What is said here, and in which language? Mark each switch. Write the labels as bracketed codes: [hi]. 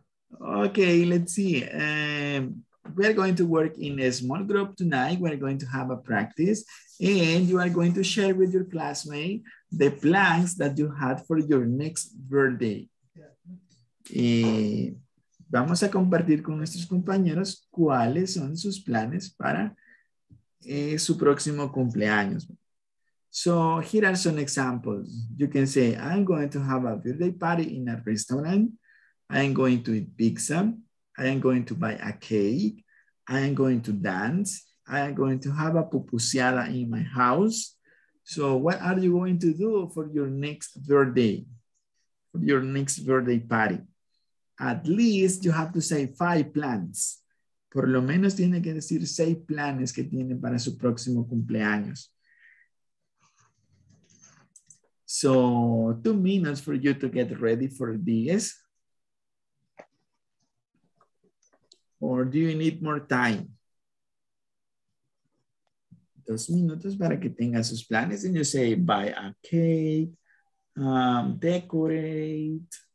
[en] Okay, let's see. We're going to work in a small group tonight. We're going to have a practice and you are going to share with your classmate the plans that you had for your next birthday. [es] Vamos a compartir con nuestros compañeros cuáles son sus planes para su próximo cumpleaños. [en] So here are some examples. You can say, I'm going to have a birthday party in a restaurant. I am going to eat pizza. I am going to buy a cake. I am going to dance. I am going to have a pupuseada in my house. So what are you going to do for your next birthday? For your next birthday party? At least you have to say 5 plans. [es] Por lo menos tiene que decir 6 planes que tiene para su próximo cumpleaños. [en] So 2 minutes for you to get ready for this. Or do you need more time? [es] 2 minutos para que tenga sus planes [en] and you say buy a cake, decorate,